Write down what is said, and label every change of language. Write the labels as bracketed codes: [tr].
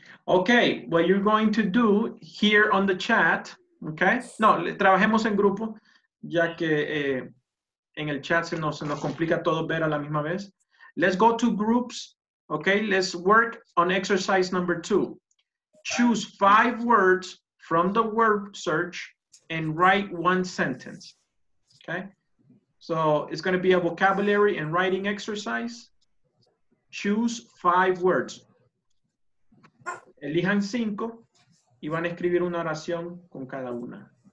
[en] Okay, what you're going to do here on the chat, okay? [es] No, trabajemos en grupo, ya que en el chat se nos complica todo ver a la misma vez. [en] Let's go to groups, okay? Let's work on exercise number two. Choose five words from the word search and write one sentence, okay? So it's going to be a vocabulary and writing exercise. Choose five words. [es] Elijan cinco y van a escribir una oración con cada una.